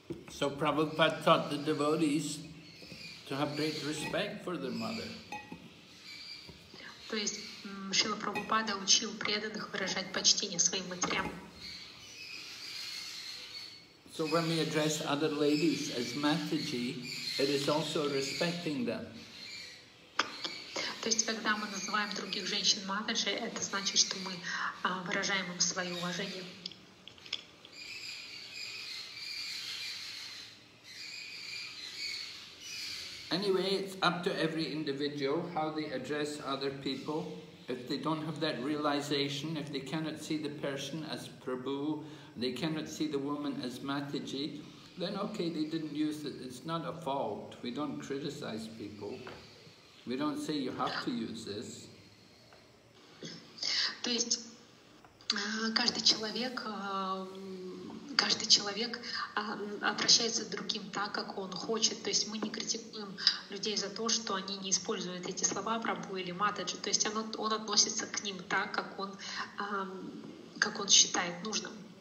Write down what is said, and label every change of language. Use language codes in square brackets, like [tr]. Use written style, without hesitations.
[en] So Prabhupada taught the devotees to have great respect for their mother. [ru] То есть Шрила Прабхупада учил преданных выражать почтение своим матерям. [en] So when we address other ladies as Mataji, it is also respecting them. [ru] То есть когда мы называем других женщин Матаджи, это значит, что мы выражаем им свое уважение. [en] Anyway, it's up to every individual how they address other people. If they don't have that realization, if they cannot see the person as Prabhu, they cannot see the woman as Mataji, then okay, they didn't use it. It's not a fault. We don't criticize people. We don't say you have to use this. [ru] То есть каждый человек обращается к другим так, как он хочет. То есть мы не критикуем людей за то, что они не используют эти слова Прабху или Матаджи. То есть он относится к ним так, как он считает нужным.